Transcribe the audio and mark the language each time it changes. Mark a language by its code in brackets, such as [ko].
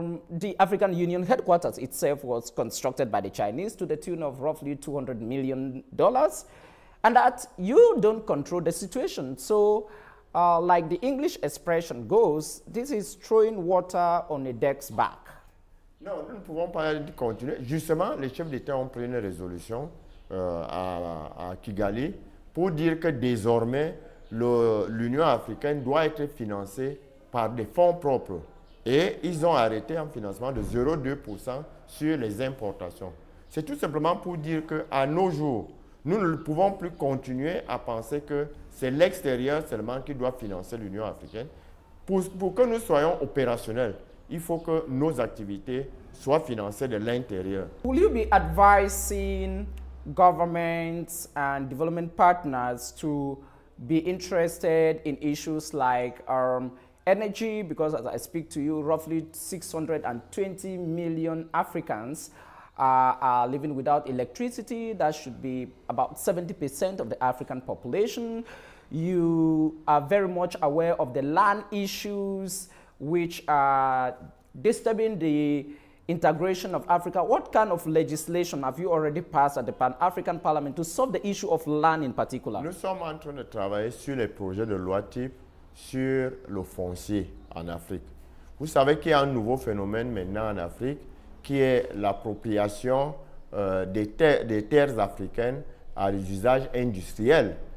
[en] The African Union headquarters itself was constructed by the Chinese to the tune of roughly $200 million. And that you don't control the situation. So, like the English expression goes, this is throwing water on a duck's back. [fr] Non, nous ne pouvons pas continuer. Justement, les chefs d'État ont pris une résolution à Kigali pour dire que désormais, l'Union africaine doit être financée par des fonds propres. Et ils ont arrêté un financement de 0,2% sur les importations. C'est tout simplement pour dire qu'à nos jours, nous ne pouvons plus continuer à penser que c'est l'extérieur seulement qui doit financer l'Union africaine. Pour que nous soyons opérationnels, il faut que nos activités soient financées de l'intérieur. [en] Will you be advising governments and development partners to be interested in issues like energy? Because as I speak to you, roughly 620 million Africans are living without electricity. That should be about 70% of the African population. You are very much aware of the land issues, which are disturbing the integration of Africa. What kind of legislation have you already passed at the Pan-African Parliament to solve the issue of land in particular? [fr] Nous sommes en train de travailler sur les projets de loi type sur le foncier en Afrique. Vous savez qu'il y a un nouveau phénomène maintenant en Afrique qui est l'appropriation des terres africaines à des usages industriels.